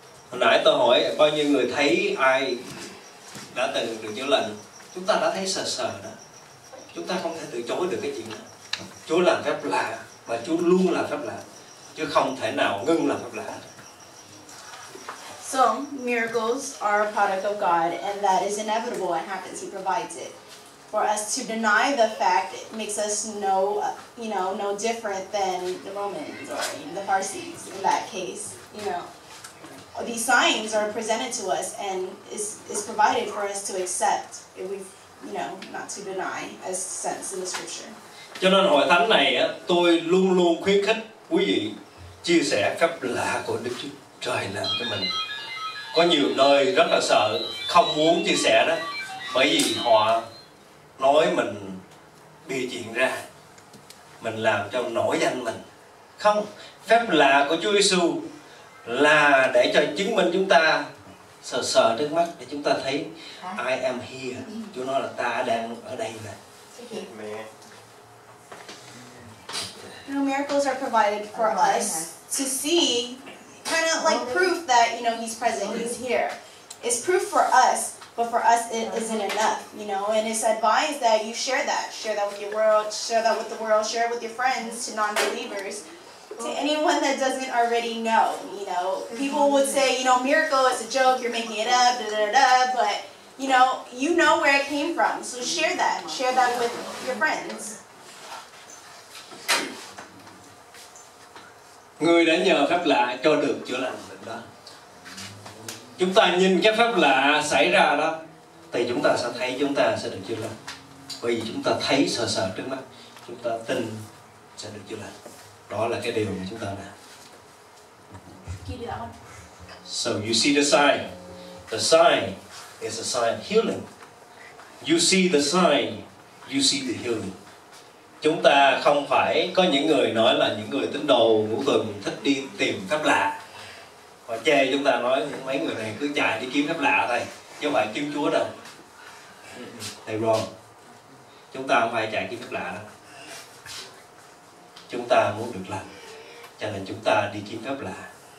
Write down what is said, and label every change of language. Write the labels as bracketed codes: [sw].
[vi] Hồi nãy tôi hỏi bao nhiêu người thấy ai đã từng được chữa lành, chúng ta đã thấy sờ sờ đó. Chúng ta không thể từ chối được cái chuyện đó. Chúa làm phép lạ và Chúa luôn làm phép lạ, chứ không thể nào ngưng làm phép lạ. [en] So miracles are a product of God, and that is inevitable. It happens. He provides it. For us to deny the fact, it makes us no different than the Romans or the Pharisees in that case, you know. These signs are presented to us and is provided for us to accept if we, you know, not to deny as sense in the scripture. [vi] Cho nên hội thánh này á, tôi luôn luôn khuyến khích quý vị chia sẻ phép lạ của Đức Chúa Trời làm cho mình. Có nhiều nơi rất là sợ không muốn chia sẻ đó, bởi vì họ nói mình bịa chuyện ra, mình làm cho nổi danh mình. Không, phép lạ của Chúa Giêsu là để cho chứng minh chúng ta sờ sờ trước mắt, để chúng ta thấy [en] I am here. [vi] Chúa nói là ta đang ở đây nè. [en] You know, miracles are provided for us to see, kind of like proof that, you know, He's present, He's here. It's proof for us, but for us it isn't enough, you know. And it's advised that you share that with your world, share that with the world, share it with your friends, to non-believers. To anyone that doesn't already know, you know, people would say, you know, miracle is a joke, you're making it up, da da da. But you know where it came from. So share that with your friends. [vi] Người đã nhờ phép lạ cho được chữa lành bệnh đó. Chúng ta nhìn cái phép lạ xảy ra đó, thì chúng ta sẽ thấy chúng ta sẽ được chữa lành. Bởi vì chúng ta thấy sờ sờ trước mắt, chúng ta tin sẽ được chữa lành. Đó là cái điều mà chúng ta đã. [en] So you see the sign. The sign is a sign of healing. You see the sign, you see the healing. [vi] Chúng ta không phải có những người nói là những người tín đồ ngũ tuần thích đi tìm phép lạ. họ chê chúng ta, nói mấy người này cứ chạy đi kiếm phép lạ thôi chứ không phải kiếm Chúa đâu. Thầy Ron, chúng ta không phải chạy kiếm phép lạ đâu, chúng ta muốn được lành cho nên chúng ta đi kiếm phép lạ.